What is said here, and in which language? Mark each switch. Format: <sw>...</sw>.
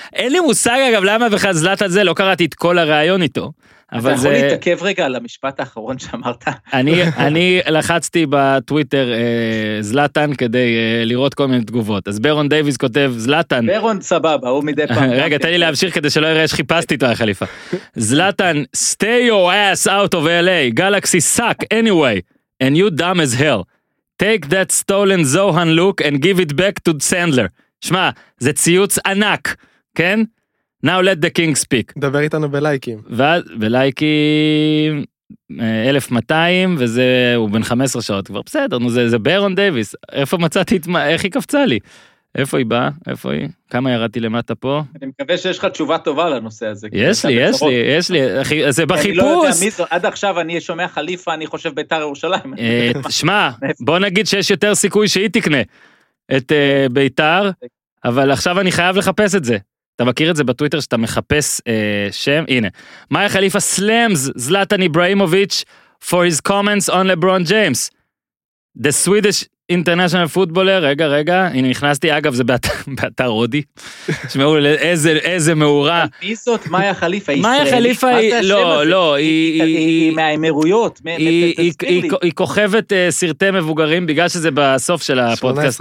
<he>אין לי מושג אגב למה בכלל זלטן זה, לא קראתי את כל הרעיון איתו. אבל אתה יכול להתעכב רגע על המשפט האחרון שאמרת? אני לחצתי בטוויטר זלטן כדי לראות כל מיני תגובות. אז ברון דייביס כותב, זלטן... ברון סבבה, הוא מדי פעם. רגע, תן לי להמשיך כדי שלא יראה שחיפשתי את החליפה.</he> <en>זלטן, stay your ass out of LA, galaxy suck anyway, and you dumb as hell. Take that stolen Zohan look and give it back to Sandler.</en> <he>שמע, זה ציוץ ענק, כן?</he> <en>Now let the king speak.</en> <he>דבר איתנו בלייקים. בלייקים 1200, וזה, הוא בן 15 שעות כבר, בסדר, נו, זה ברון דייביס. איפה מצאתי את מה, איך היא קפצה לי? איפה היא באה? איפה היא? כמה ירדתי למטה פה? אני מקווה שיש לך תשובה טובה לנושא הזה. יש לי, זה בחיפוש. עד עכשיו אני שומע חליפה, אני חושב ביתר ירושלים. שמע, בוא נגיד שיש יותר סיכוי שהיא תקנה את ביתר, אבל עכשיו אני חייב לחפש את זה. אתה מכיר את זה בטוויטר שאתה מחפש שם? הנה.</he> <en>מאיה חליפה סלאמס זלטן איבראימוביץ' for his comments on LeBron James. The Swedish international footballer,</en> <he>רגע, הנה נכנסתי, אגב זה באתר רודי. שמעו, איזה מאורה. מי זאת מאיה חליפה? מאיה חליפה היא, לא, היא מהאמירויות. היא כוכבת סרטי מבוגרים, בגלל שזה בסוף של הפודקאסט.</he>